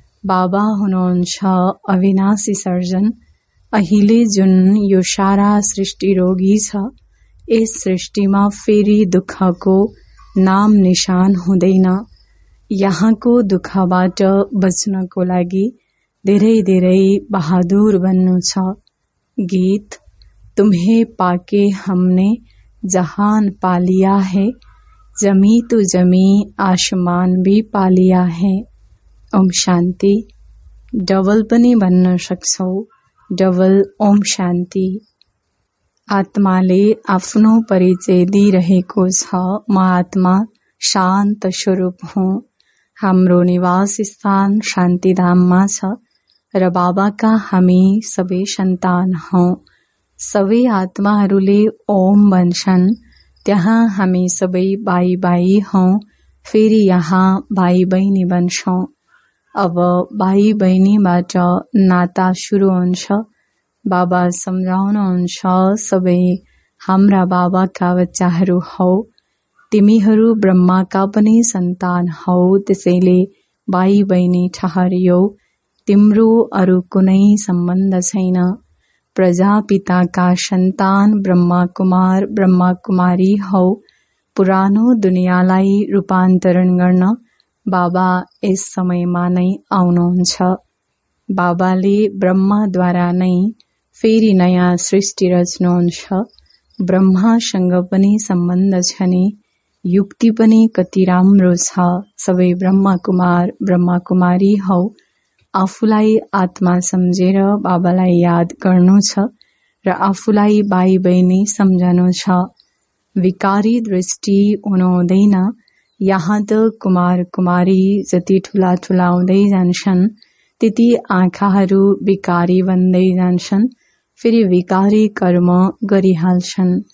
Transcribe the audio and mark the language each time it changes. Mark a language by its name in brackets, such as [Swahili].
[Nepali] बाबा हुनुहुन्छ अविनाशी सर्जन। अहिले जुन यो सारा सृष्टि रोगी छ, यस सृष्टिमा फेरि दुःखको नाम निशान हुँदैन। यहाँको दुःखबाट बच्नको लागि धेरै धेरै बहादुर बन्नु छ। [Hindi] गीत: तुम्हें पाके हमने जहान पालिया है, जमी तो जमी आसमान भी पालिया है। [Nepali] ओम शांति। डबल पनि भन्न सक्छौ, डबल ओम शांति। आत्माले आफ्नो परिचय दिइरहेको छ, म आत्मा शान्त स्वरूप हुँ। हाम्रो निवास स्थान शान्तिधाममा छ र बाबाका हामी सबै सन्तान हौ। सबै आत्माहरूले ओम भन्छन्, त्यहाँ हामी सबै भाइ भाइ हौ, फेरि यहाँ भाइ बहिनी बन्छौँ। अब भाइ बहिनीबाट नाता सुरु हुन्छ। बाबा सम्झाउनुहुन्छ, सबै हाम्रा बाबाका बच्चाहरू हौ, तिमीहरू ब्रह्माका पनि सन्तान हौ, त्यसैले भाइ बहिनी ठहरियो, तिम्रो अरू कुनै सम्बन्ध छैन। प्रजापिताका सन्तान ब्रह्मा कुमार ब्रह्मा कुमारी हौ। पुरानो दुनियाँलाई रूपान्तरण गर्न बाबा यस समयमा नै आउनुहुन्छ। बाबाले ब्रह्माद्वारा नै फेरि नयाँ सृष्टि रच्नुहुन्छ। ब्रह्मासँग पनि सम्बन्ध छ नि, युक्ति पनि कति राम्रो छ। सबै ब्रह्मा कुमार ब्रह्मा कुमारी हौ। आफूलाई आत्मा सम्झेर बाबालाई याद गर्नु छ र आफूलाई भाइ बहिनी सम्झनु छ। विकारी दृष्टि हुनुहुँदैन। यहाँ त कुमार कुमारी जति ठुला ठुला हुँदै जान्छन्, त्यति आँखाहरू विकारी बन्दै जान्छन्, फेरि विकारी कर्म गरिहाल्छन्।